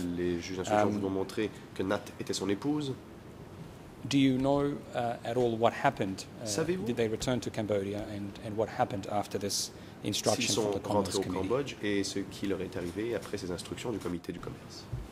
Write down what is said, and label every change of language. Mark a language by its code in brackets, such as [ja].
[fr] Que les juges d'instruction vous ont montré que Nat était son épouse. [en] Do you know at all what happened? [fr] Savez-vous? [en] Did they return to Cambodia and what happened after this instruction from the Commerce Committee? [fr] Au Cambodge et ce qui leur est arrivé après ces instructions du comité du commerce.